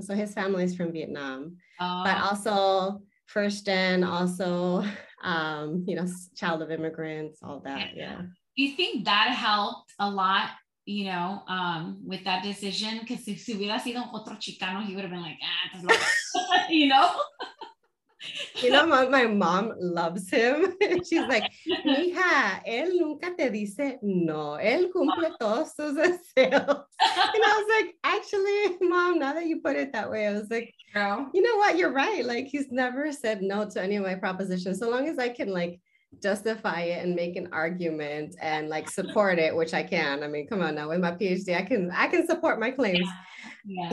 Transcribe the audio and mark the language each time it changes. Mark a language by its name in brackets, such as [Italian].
[English] So his family's from Vietnam, but also first gen, also, you know, child of immigrants, all that. Yeah. Do you think that helped a lot? You know, with that decision, because if [Spanish] si hubiera sido otro Chicano, [English] he would have been like, you know? You know, my mom loves him. She's like, [Spanish] mija, él nunca te dice no. Él cumple todos sus deseos. [English] And I was like, actually, mom, now that you put it that way, I was like, you know what? You're right. Like, he's never said no to any of my propositions. So long as I can, like, justify it and make an argument and like support it, which I can. I mean, come on now, with my PhD, I can support my claims. Yeah.